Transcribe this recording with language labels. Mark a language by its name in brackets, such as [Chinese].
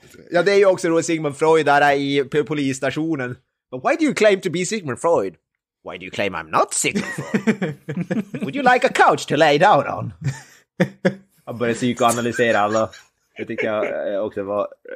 [Swedish] Ja, det är ju också roligt, Sigmund Freud där i polisstationen. [English] But why do you claim to be Sigmund Freud? Why do you claim I'm not Sigmund Freud? Would you like a couch to lay down on? [Swedish] Han börjar psykoanalysera alla. Det tycker jag också var...